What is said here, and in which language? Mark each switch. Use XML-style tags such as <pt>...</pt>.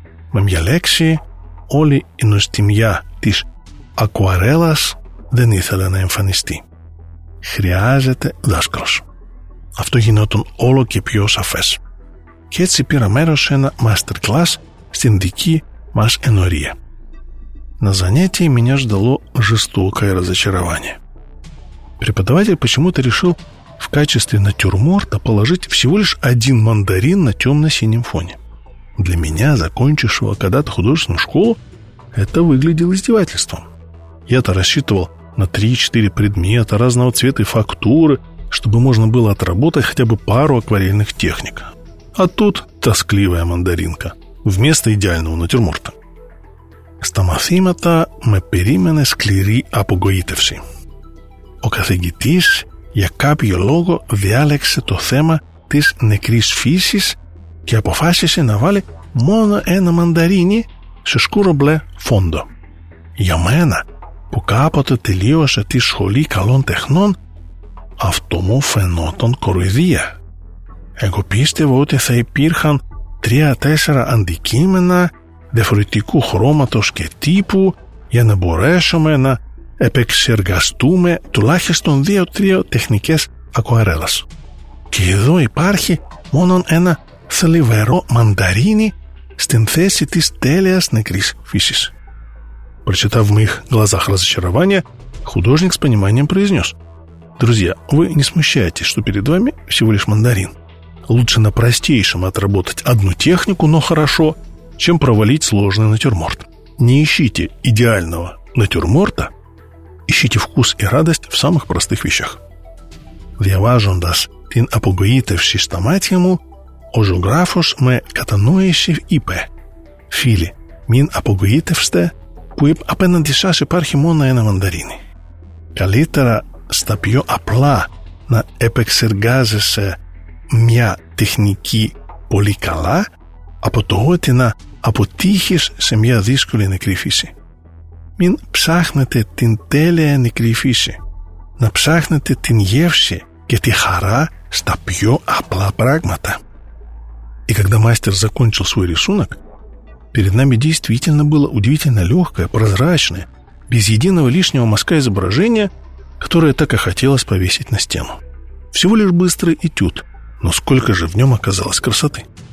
<el>Με μια λέξη, όλη η νοστιμιά της ακουαρέλας δεν ήθελε να εμφανιστεί. Χρειάζεται δάσκαλος. Αυτό γινόταν όλο και πιο σαφές. Και έτσι πήρα μέρος σε ένα masterclass στην δική μας ενορία.</el> <ru>На занятии меня ждало жестокое разочарование. Преподаватель почему-то решил в качестве натюрморта положить всего лишь один мандарин на темно-синем фоне. Для меня, закончившего когда-то художественную школу, это выглядело издевательством. Я-то рассчитывал на 3-4 предмета разного цвета и фактуры, чтобы можно было отработать хотя бы пару акварельных техник. А тут тоскливая мандаринка вместо идеального натюрморта.</ru> <el>Στα μαθήματα με περίμενε σκληρή απογοήτευση. Ο καθηγητής για κάποιο λόγο διάλεξε το θέμα της νεκρής φύσης και αποφάσισε να βάλει μόνο ένα μανταρίνι σε σκούρο μπλε φόντο. Για μένα, που κάποτε τελείωσα τη σχολή καλών τεχνών, αυτό μου φαινόταν κοροϊδία. Εγώ πίστευα ότι θα υπήρχαν 3-4 αντικείμενα διαφορετικού χρώματος και τύπου για να μπορέσουμε να επεξεργαστούμε τουλάχιστον 2-3 τεχνικές ακουαρέλας. Και εδώ υπάρχει μόνο ένα θλιβερό μανταρίνι στην θέση της τέλειας νεκρής φύσης.</el> <ru>Прочитав в моих глазах разочарование, художник с пониманием произнес: «Друзья, вы не смущаетесь, что перед вами всего лишь мандарин. Лучше на простейшем отработать одну технику, но хорошо, чем провалить сложный натюрморт. Не ищите идеального натюрморта, ищите вкус и радость в самых простых вещах».</ru> <el>Διαβάζοντας την απογοήτευση στα μάτια μου, ο ζωγράφος με κατανόησε, είπε: «Φίλοι, μην απογοήτευστε, που απέναντι σας υπάρχει μόνο ένα μανταρίνι. Καλύτερα στα πιο απλά να επεξεργάζεσαι μια τεχνική πολύ καλά, από το ότι να αποτύχεις σε μια δύσκολη νεκρή φύση. Μην ψάχνετε την τέλεια νεκρή φύση, να ψάχνετε την γεύση και τη χαρά στα πιο απλά πράγματα».</el> <ru>И когда мастер закончил свой рисунок, перед нами действительно было удивительно легкое, прозрачное, без единого лишнего мазка изображение, которое так и хотелось повесить на стену. Всего лишь быстрый этюд, но сколько же в нем оказалось красоты.</ru>